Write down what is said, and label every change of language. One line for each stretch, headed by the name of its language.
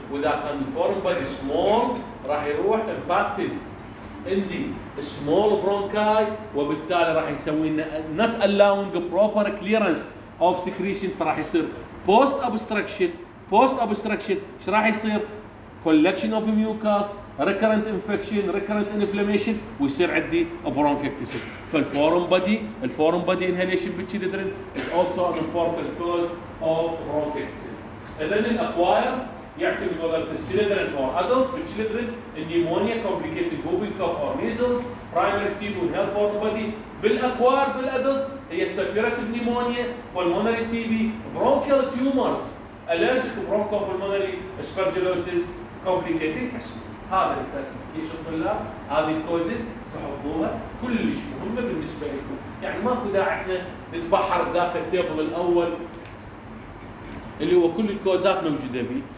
Arabic: واذا كان الفورم بادي سمول راح يروح امباكتد عندي
English: small bronchi
Arabic: وبالتالي راح يسوي لنا
English: not allowing proper clearance of secretion
Arabic: فراح يصير
English: post obstruction. post obstruction
Arabic: ايش راح يصير
English: collection of mucus, recurrent infection, recurrent inflammation,
Arabic: ويصير عندي برونكيكتيسس. فالفورم بادي الفورم بادي انهيليشن بالشيلدرن
English: is also an important cause of bronchiectasis.
Arabic: إذن الأكواير يعتمد
English: whether it's children or adults. With children, pneumonia, complicated whooping cough or measles, primary tube and health foreign body.
Arabic: بالأكوار بالأدلت هي
English: suppurative pneumonia, pulmonary TB, bronchial tumors, allergic bronchopulmonary aspergillosis, complicated asthma.
Arabic: هذا الكلاسيفيكيشن طلاب، هذه الكوزز تحفظوها كلش مهمة بالنسبة لكم. يعني ماكو داعي احنا نتبحر ذاك التيبل الأول اللي هو كل الكوزات موجودة به.